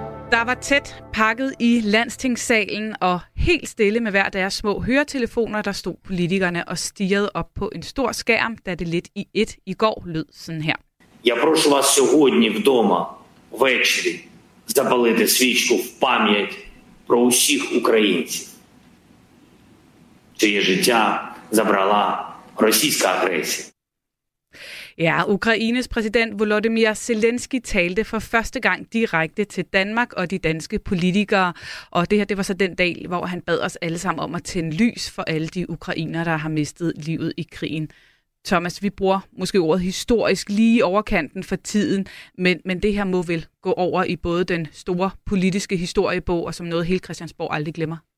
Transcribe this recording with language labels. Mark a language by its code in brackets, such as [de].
[da] Der var tæt pakket i landstingssalen, og helt stille med hver deres små høretelefoner, der stod politikerne og stirrede op på en stor skærm, da det lidt i et i går lød sådan her. Jeg [uk] прошу вас сьогодні вдома, ввечері, запалити свічку в пам'ять про усіх українців, чиє життя забрала російська агресія. [da] Ja, Ukraines præsident Volodymyr Zelensky talte for første gang direkte til Danmark og de danske politikere. Og det her, det var så den dag, hvor han bad os alle sammen om at tænde lys for alle de ukrainere, der har mistet livet i krigen. Thomas, vi bruger måske ordet historisk lige overkanten for tiden, men det her må vel gå over i både den store politiske historiebog og som noget hele Christiansborg aldrig glemmer.